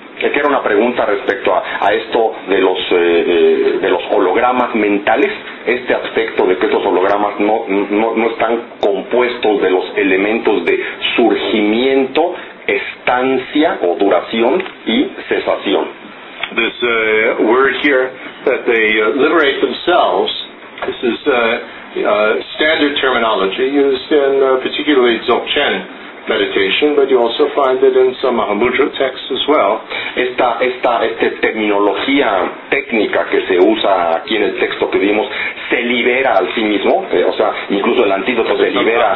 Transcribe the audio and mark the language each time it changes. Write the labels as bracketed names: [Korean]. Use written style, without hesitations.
[Spanish] Que era una pregunta respecto a esto de los hologramas mentales, este aspecto de que estos hologramas no están compuestos de los elementos de surgimiento, estancia o duración y cesación. [English] This word here that they liberate themselves, this is standard terminology used in particularly Dzogchen meditation, but you also find it in some Mahamudra texts as well. [Spanish] Esta terminología técnica que se usa aquí en el texto que vimos se libera al sí mismo, o sea, incluso el antídoto se libera.